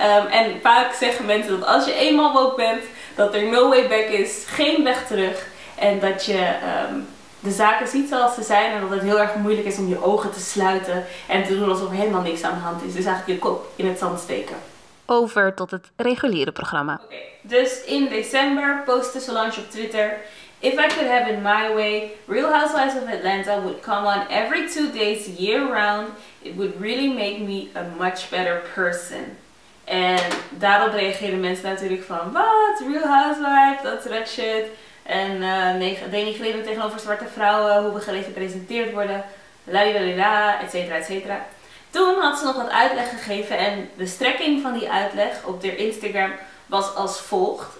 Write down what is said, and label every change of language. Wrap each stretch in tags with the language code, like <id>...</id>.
<nl>en vaak zeggen mensen dat als je eenmaal woke bent, dat er</nl> <en>no way back</en> <nl>is, geen weg terug. En dat je de zaken ziet zoals ze zijn en dat het heel erg moeilijk is om je ogen te sluiten en te doen alsof er helemaal niks aan de hand is. Dus eigenlijk je kop in het zand steken. Over tot het reguliere programma. Okay. Dus in december postte Solange op Twitter:</nl> <en>"If I could have it my way, Real Housewives of Atlanta would come on every 2 days year round. It would really make me a much better person."</en> <nl>En daarop reageerden mensen natuurlijk van: "Wat? Real Housewives? Dat is red shit." En denigrerend tegenover zwarte vrouwen, hoe we gerepresenteerd worden, lalilalila, etcetera, etcetera. Toen had ze nog wat uitleg gegeven en de strekking van die uitleg op haar Instagram was als volgt.</nl>